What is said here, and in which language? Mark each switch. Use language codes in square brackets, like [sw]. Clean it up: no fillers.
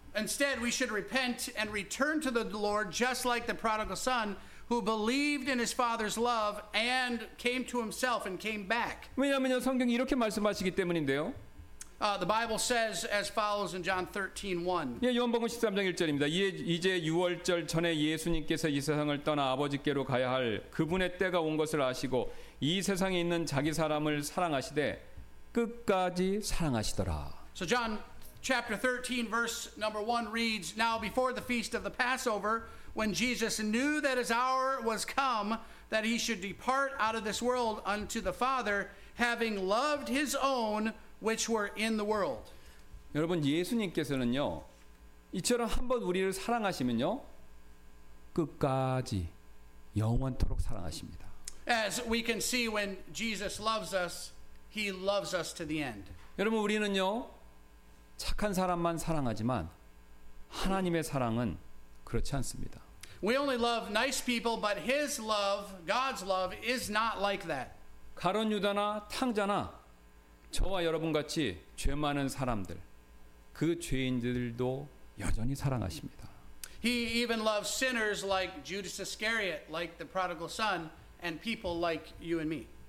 [en] Instead, we should repent and return to the Lord just like the prodigal son who believed in his father's love and came to himself and came back. [ko] 왜냐하면 성경이 이렇게 말씀하시기 때문인데요. [en] The Bible says as follows in John 13:1. [ko] 예, 요한복음 13장 1절입니다. 이제 유월절 전에 예수님께서 이 세상을 떠나 아버지께로 가야 할 그분의 때가 온 것을 아시고 이 세상에 있는 자기 사람을 사랑하시되 끝까지 사랑하시더라. [en] So John chapter 13 verse number 1 reads, Now before the feast of the Passover, when Jesus knew that his hour was come, that he should depart out of this world unto the Father, having loved his own which were in the world. [ko] 여러분 예수님께서는요 이처럼 한번 우리를 사랑하시면요 끝까지 영원토록 사랑하십니다. [en] As we can see when Jesus loves us, he loves us to the end. [ko] 여러분 우리는요 착한 사람만 사랑하지만 하나님의 사랑은 그렇지 않습니다. [en] We only love nice people, but his love, God's love is not like that. [ko] 가룟 유다나 탕자나 저와 여러분 같이 죄 많은 사람들, 그 죄인들도 여전히 사랑하십니다. [en] He even loves sinners like Judas Iscariot, like the prodigal son, and people like you and me.